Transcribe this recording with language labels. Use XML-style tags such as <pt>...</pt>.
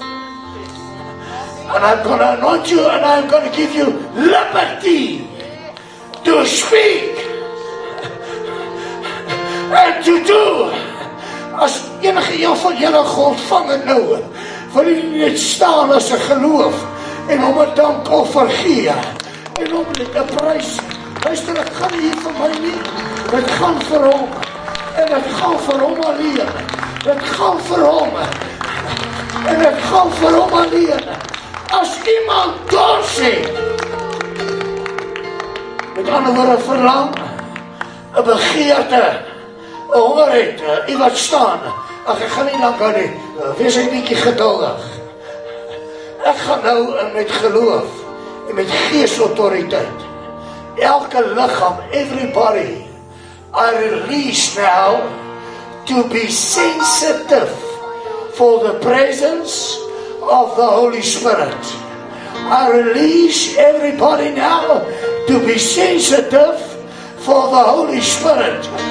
<en>And I'm going to anoint you and I'm going to give you liberty to speak and to do.</en> <af>As enige een van julle ontvang het nou, wil jy net staan as 'n geloof en om 'n dankoffer gee en om 'n prys. Luister, ek gaan nie hier vir my nie. Ek gaan vir hom en ek gaan vir hom alleen. Het gaan vir hom en het gaan vir hom alleen. As iemand dors het, met ander woorde verlang, 'n begeerte, honger het, jy wat staan. Ach, ek gaan nie lang aan nie, wees een bietjie geduldig. Ek gaan nou met geloof en met geestautoriteit. Elke lichaam,</af> <en>everybody, I release now to be sensitive for the presence of the Holy Spirit. I release everybody now to be sensitive for the Holy Spirit.</en>